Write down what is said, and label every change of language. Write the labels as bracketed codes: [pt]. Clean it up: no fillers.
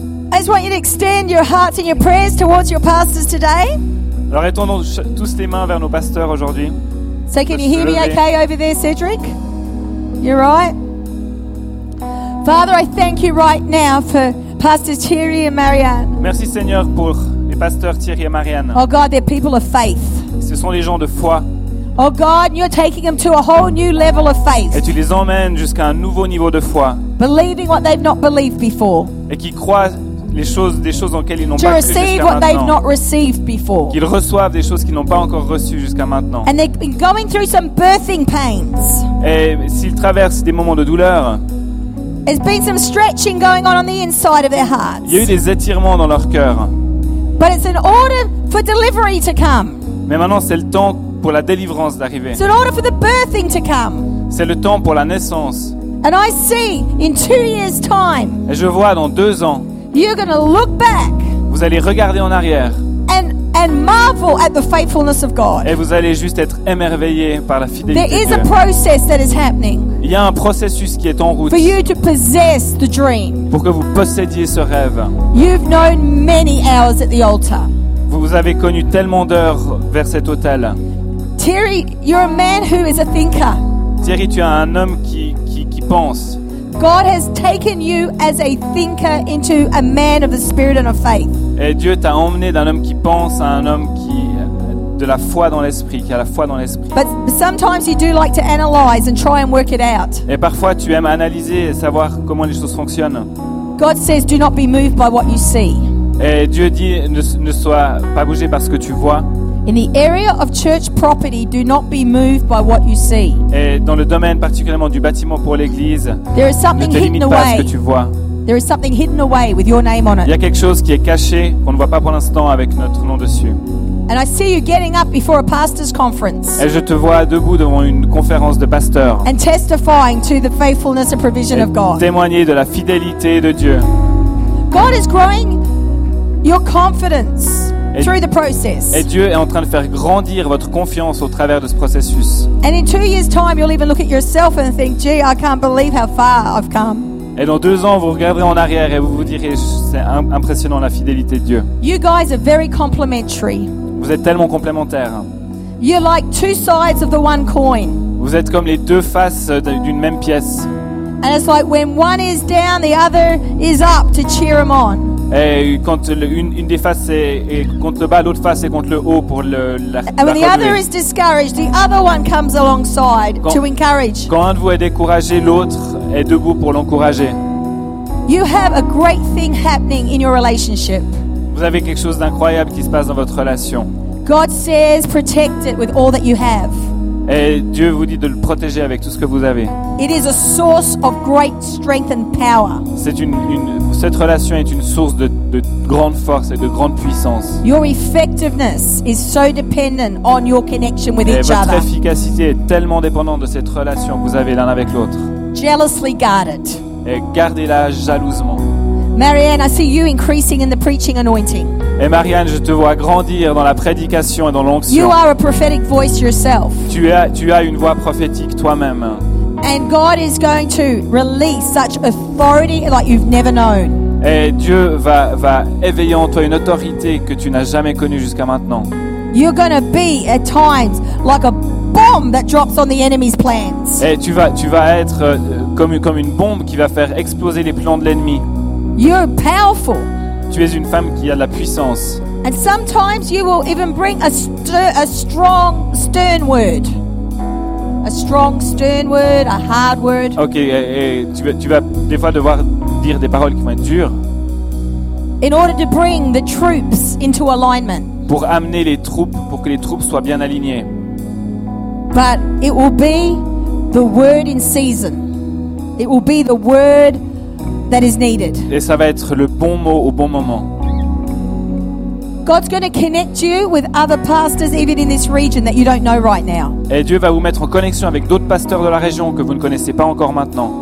[en] I just want you to extend your hearts and your prayers towards your pastors today. [fr] Alors étendons tous les mains vers nos pasteurs aujourd'hui. [en] So can you hear me okay over there, Cedric? You're right. Father, I thank you right now for pastors Thierry and Marianne. [fr] Merci Seigneur pour les pasteurs Thierry et Marianne. [en] Oh God, they're people of faith. [fr] Ce sont des gens de foi. [en] Oh God, you're taking them to a whole new level of faith. [fr] Et tu les emmènes jusqu'à un nouveau niveau de foi. [en] Believing what they've not believed before. [fr] Et qui croient des choses dans lesquelles ils n'ont pas cru jusqu'à maintenant. Qu'ils reçoivent des choses qu'ils n'ont pas encore reçues jusqu'à maintenant. [en] And they've been going through some birthing pains. [fr] Et s'ils traversent des moments de douleur. [en] There's been some stretching going on the inside of their hearts. [fr] Il y a eu des étirements dans leur cœur. [en] But it's an order for delivery to come. [fr] Mais maintenant c'est le temps pour la délivrance d'arriver. [en] It's an order for the birthing to come. [fr] C'est le temps pour la naissance. [en] And I see in 2 years time. [fr] Et je vois dans 2 ans. [en] You're going to look back. [fr] Vous allez regarder en arrière. [en] And marvel at the faithfulness of God. [fr] Et vous allez juste être émerveillé par la fidélité de Dieu. [en] There is a process that is happening. [fr] Il y a un processus qui est en route. [en] For you to possess the dream. [fr] Pour que vous possédiez ce rêve. [en] You've known many hours at the altar. [fr] Vous avez connu tellement d'heures vers cet autel. [en] Thierry, you're a man who is a thinker. [fr] Thierry, tu es un homme qui pense. [en] God has taken you as a thinker into a man of the spirit and of faith. [fr] Et Dieu t'a emmené d'un homme qui pense à un homme qui de la foi dans l'esprit, qui a la foi dans l'esprit. [en] But sometimes you do like to analyze and try and work it out. [fr] Et parfois tu aimes analyser et savoir comment les choses fonctionnent. [en] God says, do not be moved by what you see. [fr] Et Dieu dit, ne sois pas bougé par ce que tu vois. [en] In the area of church property, do not be moved by what you see. [fr] Et dans le domaine particulièrement du bâtiment pour l'église, [en] there is something hidden away. [fr] Ce que tu vois. [en] There is something hidden away with your name on it. [fr] Il y a quelque chose qui est caché qu'on ne voit pas pour l'instant avec notre nom dessus. [en] And I see you getting up before a pastor's conference. [fr] Et je te vois debout devant une conférence de pasteurs. [en] And testifying to the faithfulness and provision of God. [fr] Témoigner de la fidélité de Dieu. [en] God is growing your confidence. Through the process. [fr] Et Dieu est en train de faire grandir votre confiance au travers de ce processus. [en] And in 2 years time, you'll even look at yourself and think, "Gee, I can't believe how far I've come." [fr] Et dans 2 ans, vous regarderez en arrière et vous vous direz, c'est impressionnant la fidélité de Dieu. [en] You guys are very complementary. [fr] Vous êtes tellement complémentaires. [en] You're like two sides of the one coin. [fr] Vous êtes comme les deux faces d'une même pièce. [en] And it's like when one is down, the other is up to cheer them on. [fr] Et quand une des faces est contre le bas, l'autre face est contre le haut pour la relever. [en] And when the other is discouraged, the other one comes alongside to encourage. [fr] Quand un de vous est découragé, l'autre est debout pour l'encourager. [en] You have a great thing happening in your relationship. [fr] Vous avez quelque chose d'incroyable qui se passe dans votre relation. [en] God says, protect it with all that you have. [fr] Et Dieu vous dit de le protéger avec tout ce que vous avez. [en] It is a source of great strength and power. [fr] C'est cette relation est une source de grande force et de grande puissance. [en] Your effectiveness is so dependent on your connection with each other. [fr] Votre efficacité est tellement dépendante de cette relation que vous avez l'un avec l'autre. [en] Jealously guard it. [fr] Et gardez-la jalousement. [en] Marianne, I see you increasing in the preaching anointing. [fr] Et Marianne, je te vois grandir dans la prédication et dans l'onction. [en] You are a prophetic voice yourself. [fr] Tu as une voix prophétique toi-même. [en] And God is going to release such authority like you've never known. [fr] Et Dieu va éveiller en toi une autorité que tu n'as jamais connue jusqu'à maintenant. [en] You're going to be at times like a bomb that drops on the enemy's plans. [fr] Et tu vas être comme une bombe qui va faire exploser les plans de l'ennemi. [en] You're powerful. [fr] Tu es une femme qui a de la puissance. [en] And sometimes you will even bring a strong stern word. A strong stern word, a hard word. [fr] Okay, et tu vas des fois devoir dire des paroles qui vont être dures. [en] In order to bring the troops into alignment. [fr] Pour amener les troupes, pour que les troupes soient bien alignées. [en] But it will be the word in season. It will be the word that is needed. [fr] Et ça va être le bon mot au bon moment. [en] God's going to connect you with other pastors even in this region that you don't know right now. [fr] Et Dieu va vous mettre en connexion avec d'autres pasteurs de la région que vous ne connaissez pas encore maintenant.